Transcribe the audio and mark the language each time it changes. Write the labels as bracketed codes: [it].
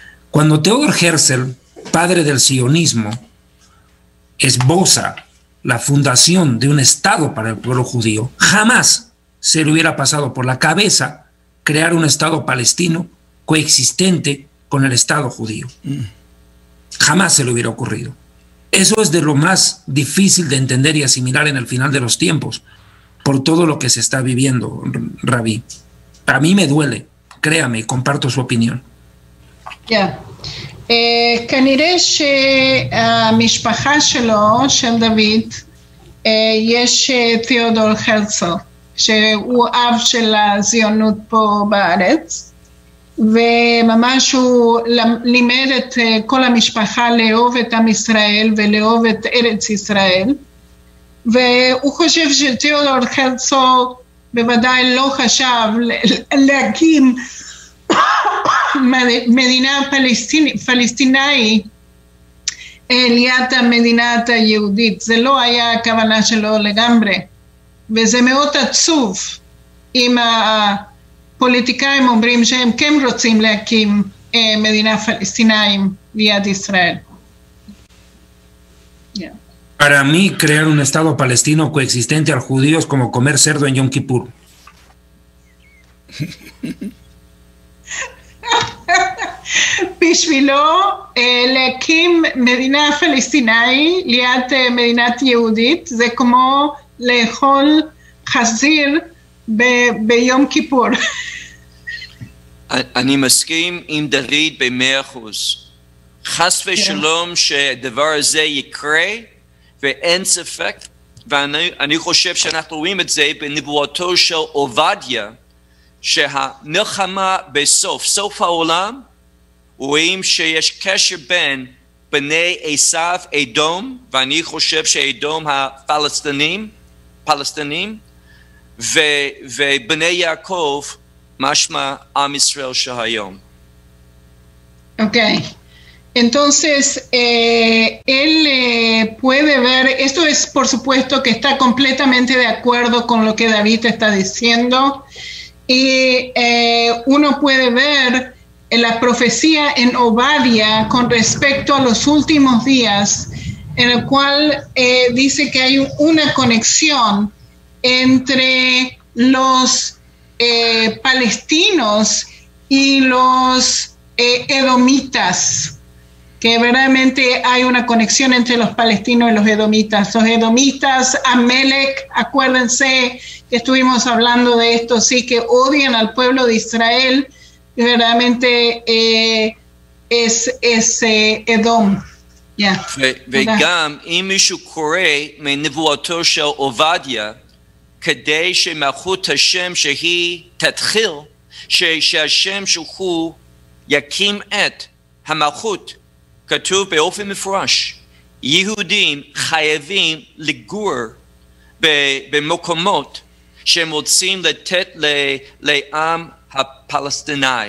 [es] Cuando Theodor Herzl, padre del sionismo, esboza la fundación de un Estado para el pueblo judío, jamás se le hubiera pasado por la cabeza crear un Estado palestino coexistente con el Estado judío. Jamás se le hubiera ocurrido. Eso es de lo más difícil de entender y asimilar en el final de los tiempos, por todo lo que se está viviendo, Rabí. A mí me duele, créame, y comparto su opinión. Ya. [he] Kanireh mishpacha shelo, shel David, yesh Theodor Herzl, shehu av shel ha-zionut po ba'aretz, וממש הוא לימד את כל המשפחה לאהוב את עם ישראל ולאהוב את ארץ ישראל, והוא חושב שתיאודור חרצו בוודאי לא חשב להקים מדינה פלסטינאית ליד המדינת היהודית. זה לא היה הכוונה שלו לגמרי, וזה מאוד עצוב עם ה... פוליטיקאים אומרים שהם כן רוצים להקים מדינה פלסטינאים ליד ישראל. [es] Para mí crear un estado palestino coexistente al judío es como comer cerdo en Yom Kippur. [he] בשבילו להקים מדינה פלסטינאית ליד מדינת יהודית זה כמו לאכול חזיר ביום כיפור. אני מסכים עם דוד ב-100%. חס ושלום שהדבר הזה יקרה, ואין ספק, ואני חושב שאנחנו רואים את זה בנבואתו של עובדיה, שהמלחמה בסוף העולם רואים שיש קשר בין בני עשיו אדום, ואני חושב שאדום הפלסטינים, פלסטינים, ובני יעקב, משמע עם ישראל של היום. [en] Okay. [es] Entonces, él puede ver, esto es por supuesto que está completamente de acuerdo con lo que David está diciendo, y uno puede ver la profecía en Obadía con respecto a los últimos días, en el cual dice que hay una conexión entre los palestinos y los edomitas, que verdaderamente hay una conexión entre los palestinos y los edomitas. Los edomitas, Amalek, acuérdense que estuvimos hablando de esto, sí, que odian al pueblo de Israel, y verdaderamente es Edom. [he] וגם אם מישהו קורא מנבואתו של עובדיה, כדי שמלכות השם שהיא תתחיל, שהשם שהוא יקים את המלכות, כתוב באופן מפורש, יהודים חייבים לגור במקומות שהם רוצים לתת לעם הפלסטיני.